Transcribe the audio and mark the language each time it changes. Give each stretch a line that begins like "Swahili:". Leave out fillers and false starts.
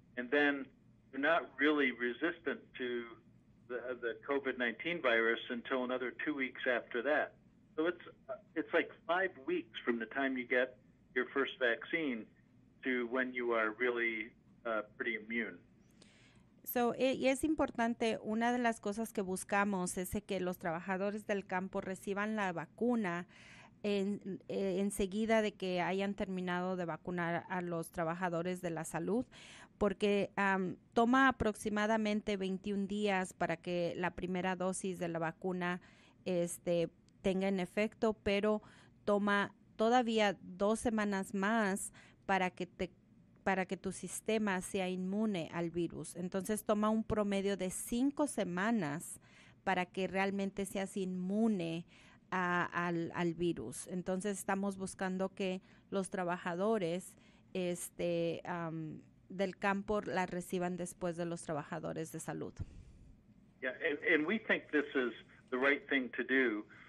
English: And then you're not really resistant to the COVID-19 virus until another 2 weeks after that. So it's like 5 weeks from the time you get your first vaccine to when you are really pretty immune.
Spanish: So, y es importante, una de las cosas que buscamos es que los trabajadores del campo reciban la vacuna enseguida de que hayan terminado de vacunar a los trabajadores de la salud, porque toma aproximadamente 21 días para que la primera dosis de la vacuna tenga en efecto, pero toma todavía 2 semanas más para que tu sistema sea inmune al virus. Entonces, toma un promedio de 5 semanas para que realmente seas inmune al virus. Entonces, estamos buscando que los trabajadores del campo la reciban después de los trabajadores de salud.
English: Yeah, and we think this is the right thing to do.